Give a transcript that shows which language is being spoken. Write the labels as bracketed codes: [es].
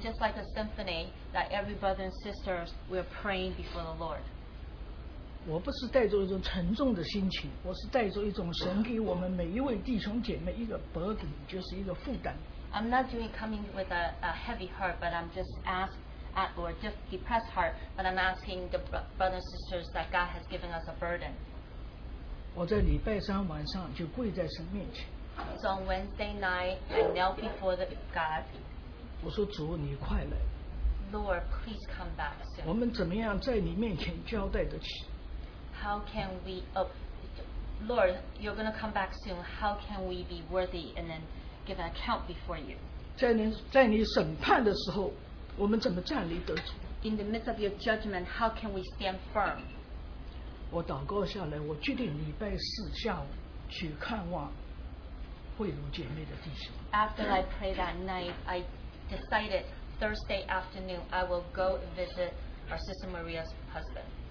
[en] just like a symphony, that every brother and sister will pray before the Lord. [zh] 我不是带着一种沉重的心情，我是带着一种神给我们每一位弟兄姐妹一个burden，就是一个负担。 [en] I'm not doing coming with a heavy heart, but I'm just asking, or just depressed heart, but I'm asking the brothers and sisters that God has given us a burden. [zh] 我在礼拜三晚上就跪在神面前。 [en] So on Wednesday night, I knelt before the God. [zh] 我说主，你快来。 [en] Lord, please come back soon. [zh] 我们怎么样在你面前交代得起？ [en] How can we Lord, you're going to come back soon. How can we be worthy and then give an account before you? [zh] 在你审判的时候, 我们怎么站立得住? [en] In the midst of your judgment, how can we stand firm? [zh] 我祷告下来, 我决定礼拜四下午去看望 [en] After I pray that night, I decided Thursday afternoon I will go visit our sister Maria's husband.